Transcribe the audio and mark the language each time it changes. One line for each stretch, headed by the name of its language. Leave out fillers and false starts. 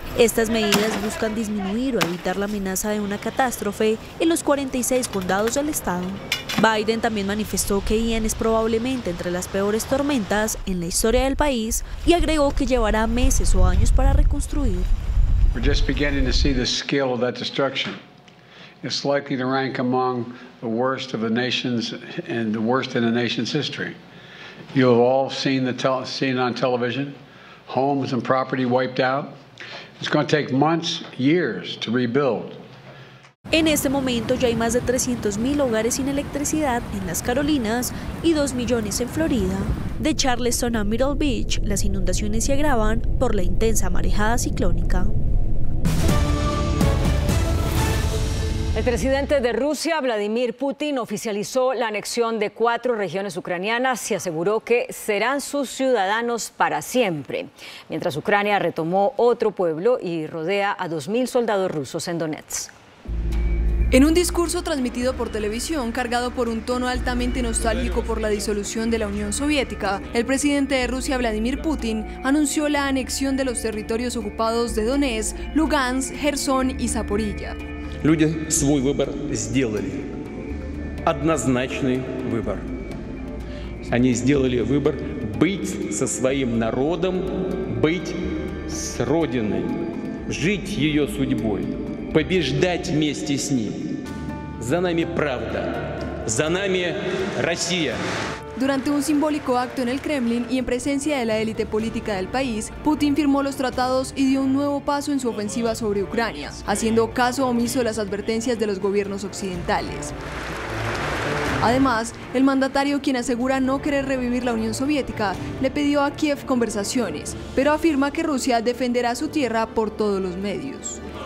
Spanish: Estas medidas buscan disminuir o evitar la amenaza de una catástrofe en los 46 condados del estado. Biden también manifestó que Ian es probablemente entre las peores tormentas en la historia del país y agregó que llevará meses o años para reconstruir.
English: We're just beginning to see the scale of that destruction. It's likely to rank among the worst of the nation's and the worst in the nation's history. You have all seen on television, homes and property wiped out. It's going to take months, years to rebuild.
Spanish: En este momento ya hay más de 300,000 hogares sin electricidad en las Carolinas y 2 millones en Florida. De Charleston a Myrtle Beach, las inundaciones se agravan por la intensa marejada ciclónica. El presidente de Rusia, Vladimir Putin, oficializó la anexión de 4 regiones ucranianas y aseguró que serán sus ciudadanos para siempre, mientras Ucrania retomó otro pueblo y rodea a 2,000 soldados rusos en Donetsk. En un discurso transmitido por televisión, cargado por un tono altamente nostálgico por la disolución de la Unión Soviética, el presidente de Rusia, Vladimir Putin, anunció la anexión de los territorios ocupados de Donetsk, Lugansk, Jersón y Zaporilla.
Russian: Люди свой выбор сделали. Однозначный выбор. Они сделали выбор быть со своим народом, быть с Родиной, жить ее судьбой, побеждать вместе с ней. За нами правда, за нами Россия.
Spanish: Durante un simbólico acto en el Kremlin y en presencia de la élite política del país, Putin firmó los tratados y dio un nuevo paso en su ofensiva sobre Ucrania, haciendo caso omiso a las advertencias de los gobiernos occidentales. Además, el mandatario, quien asegura no querer revivir la Unión Soviética, le pidió a Kiev conversaciones, pero afirma que Rusia defenderá su tierra por todos los medios.